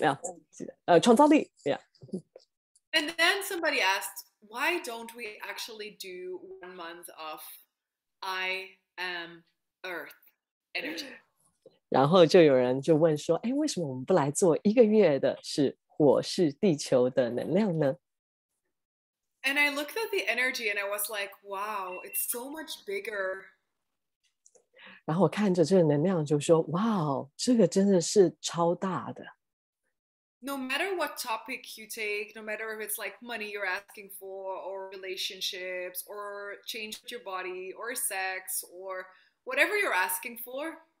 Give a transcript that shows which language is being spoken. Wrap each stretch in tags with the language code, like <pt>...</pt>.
<zh>然后我们做了很多很多不同的主题啊，像金钱啊，性啊，创造力, yeah.</zh> <en>And then somebody asked, why don't we actually do 1 month of I am Earth energy?</en> <zh>然后就有人就问说，哎，为什么我们不来做一个月的是我是地球的能量呢？</zh> <en>And I looked at the energy and I was like, wow, it's so much bigger.</en> <zh>然后我看着这个能量就说，哇，这个真的是超大的。</zh> <en>No matter what topic you take, no matter if it's like money you're asking for, or relationships, or change with your body, or sex, or whatever you're asking for,</en>